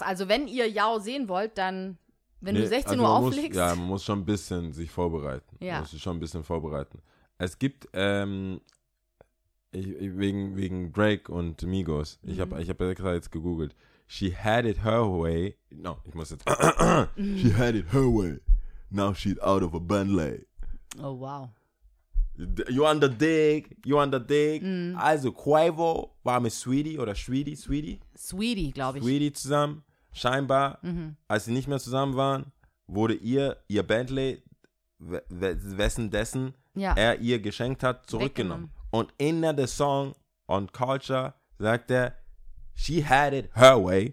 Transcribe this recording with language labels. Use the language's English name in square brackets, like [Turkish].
[German] Also, wenn ihr Yao sehen wollt, dann. Wenn du 16 also Uhr auflegst. Man muss schon ein bisschen sich vorbereiten. Ja. Man muss sich schon ein bisschen vorbereiten. Es gibt. Wegen Drake und Migos. Ich hab jetzt gegoogelt. [English] She had it her way. No, [German] ich muss jetzt. [English] She had it her way. Now she's out of a Bentley. Oh, wow. You on the dick. Mm. [German] Also, Quavo war mit Sweetie oder Sweetie? Sweetie, glaube ich. Sweetie zusammen. Scheinbar, als sie nicht mehr zusammen waren, wurde ihr Bentley, wessen er ihr geschenkt hat, zurückgenommen. Und in der Song On Culture sagt er, [English] she had it her way.